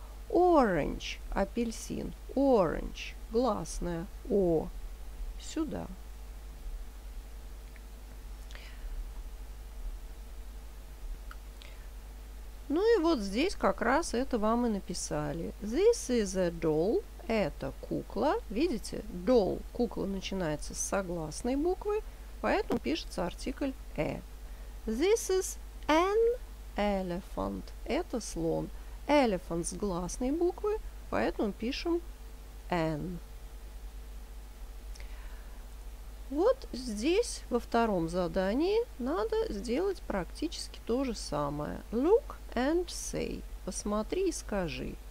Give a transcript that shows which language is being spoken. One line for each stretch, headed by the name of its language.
Russian: Orange – апельсин. Orange – гласная. О. Сюда. Ну и вот здесь как раз это вам и написали.
English: This is a doll –
Russian: это кукла. Видите, doll – кукла начинается с согласной буквы, поэтому пишется артикль «э».
English: This is an elephant –
Russian: это слон. Elephant с гласной буквы, поэтому пишем N. Вот здесь во втором задании надо сделать практически то же самое.
English: Look and say.
Russian: Посмотри и скажи.